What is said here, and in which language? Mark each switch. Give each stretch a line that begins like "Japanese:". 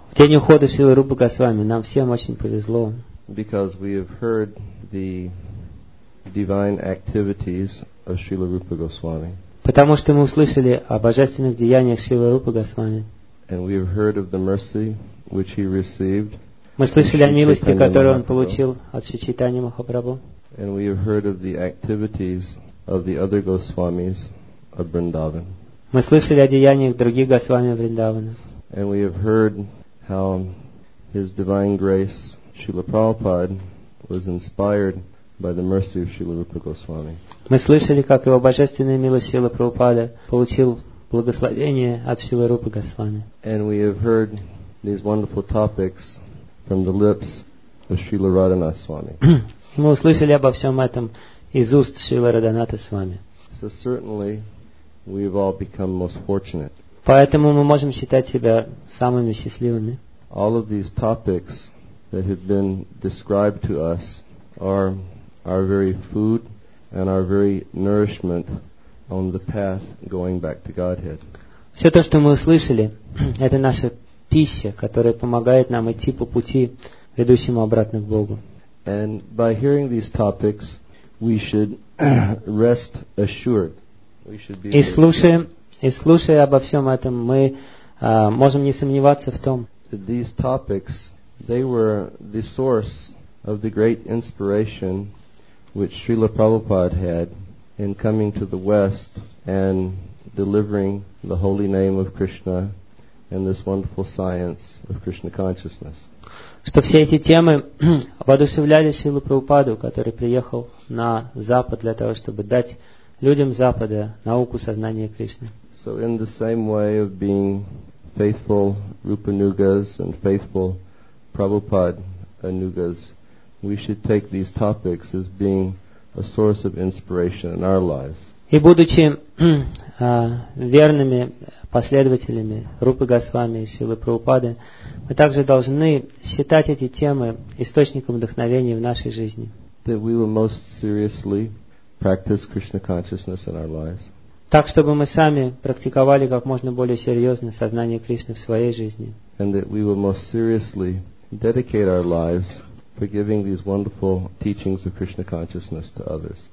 Russian: В день ухода Шрилы Рупы Госвами нам всем очень повезло.
English: Because we have heard the divine activities of Srila Rupa Goswami.
Russian: Потому что мы услышали о божественных деяниях Шрилы Рупы Госвами.
English: And we have heard of the mercy which he received.
Russian: Мы слышали о милости, которую он получил от Шри Чайтаньи Махапрабху.
English: And we have heard of the activities of the other Goswamis of Vrindavan.
Russian: Мы слышали о деяниях других Госвами Вриндавана.
English: And we have heard how his divine grace Srila Prabhupada was inspired by the mercy of Srila Rupa Goswami.
Russian: Мы слышали, как его божественная милость Шрила Прабхупада получил благословение от Шрилы Рупы Госвами.
English: And we have heard these wonderful topics from the lips of Srila Radhana Swami.
Russian: Мы услышали обо всем этом из уст Шрилы Радханатха Свами.
English: So certainly we have all become most fortunate.
Russian: Поэтому мы можем считать себя самыми счастливыми.
English: All of these topics that have been described to us are our very food and our very nourishment on the path going back to Godhead.
Russian: Все то, что мы услышали, это наша пища, которая помогает нам идти по пути, ведущему обратно к Богу.
English: And by hearing these topics, we should rest assured. We should be.
Russian: И слушая обо всем этом, мы можем не сомневаться в том.
English: These topics, they were the source of the great inspiration which Srila Prabhupada had in coming to the West and delivering the holy name of Krishna and this wonderful science of Krishna consciousness.
Russian: Что все эти темы воодушевляли Шрилу Прабхупаду, который приехал на Запад для того, чтобы дать людям Запада науку сознания Кришны.
English: So in the same way of being faithful Rupanugas and faithful Prabhupada Anugas, we should take these topics as being a source of inspiration in our lives.
Russian: И будучи верными последователями Рупы Госвами и Шрилы Прабхупады, мы также должны считать эти темы источником вдохновения в нашей жизни.
English: That we will most seriously practice Krishna consciousness in our lives.
Russian: Так, чтобы мы сами практиковали как можно более серьезно сознание Кришны в своей жизни.
English: And that we will most seriously practice dedicate our lives for giving these wonderful teachings of Krishna consciousness to others.